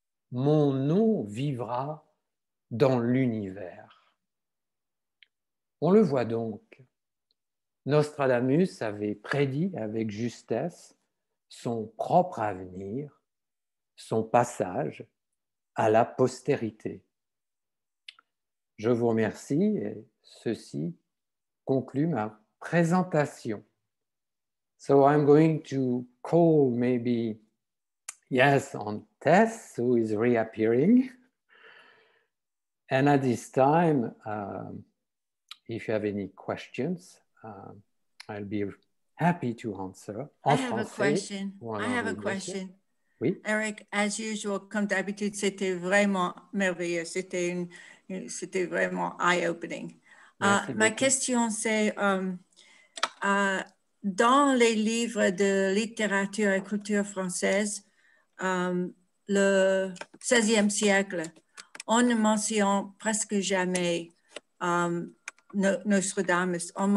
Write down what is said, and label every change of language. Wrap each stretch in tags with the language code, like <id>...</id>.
<fr>Mon nom vivra dans l'univers. » On le voit donc, Nostradamus avait prédit avec justesse son propre avenir, son passage à la postérité. Je vous remercie et ceci conclut ma présentation.</fr> <en>So I'm going to call maybe yes, on Tess, who is reappearing. And at this time, if you have any questions, I'll be happy to answer. I have a question.</en> <fr>Oui? Eric,</fr> <en>as usual,</en> <fr>comme d'habitude, c'était vraiment merveilleux. C'était vraiment eye-opening. Ma question, c'est dans les livres de littérature et culture française, le 16e siècle, on ne mentionne presque jamais Nostradamus.</fr>